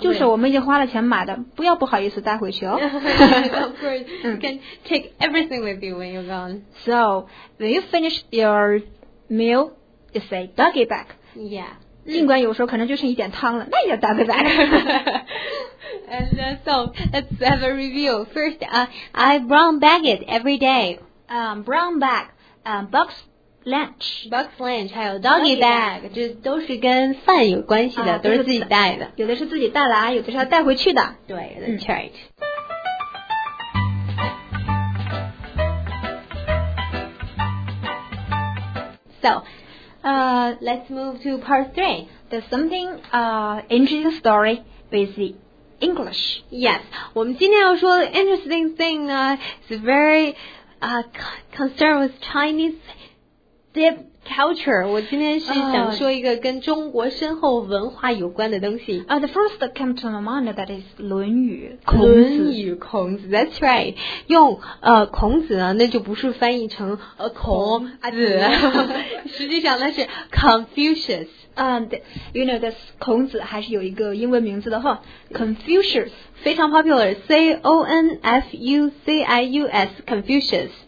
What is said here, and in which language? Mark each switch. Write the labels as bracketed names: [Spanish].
[Chinese] 就是我们已经花了钱买的，不要不好意思带回去哦。 [English] Of course, you can take everything with you when you're gone. So, when you finish your meal, you say doggy bag. Yeah. [Chinese] 尽管有时候可能就剩一点汤了，那也叫 doggy bag. [English] And so, let's have a review. First, I brown bag it every day. Brown bag, box. [Chinese] Box lunch 还有 doggy bag 这都是跟饭有关系的、啊、都是自己带的，有的是自己带来，有的是要带回去的。 [English] 对 that's right、嗯、So let's move to part 3. There's something interesting story with the English. [Chinese] Yes, 我们今天要说的 interesting thing 呢 [English] is very concerned with ChineseDeep culture, [Chinese] 我今天是想说一个跟中国深厚文化有关的东西。 The first that came to my mind, that is 论语。孔子。孔子, [English] that's right. [Chinese] 用孔子呢，那就不是翻译成孔子。实际上那是 Confucius. [English] You know, that's [Chinese] 孔子还是有一个英文名字的哈。Confucius. 非常 popular, C-O-N-F-U-C-I-U-S, Confucius.